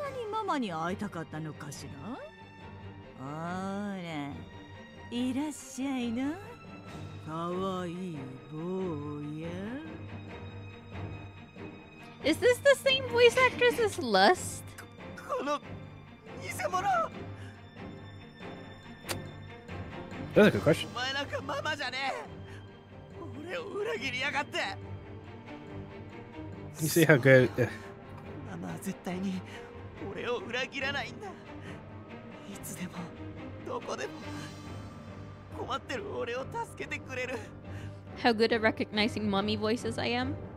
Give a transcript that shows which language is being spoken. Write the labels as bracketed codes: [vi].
[ja] ママに会いたかったのかしら？ほら、いらっしゃいな、かわいい坊や。 [en] Is this the same voice actress as Lust? [ja] この偽物。 [en] That's a good question. [ja] お前なんかママじゃねえ。俺を裏切りやがって。 [en] You see how good? [ja] ママは絶対に。俺を裏切らないんだ。いつでも、どこでも、困ってる俺を助けてくれる。 [en] How good at recognizing mommy voices I am?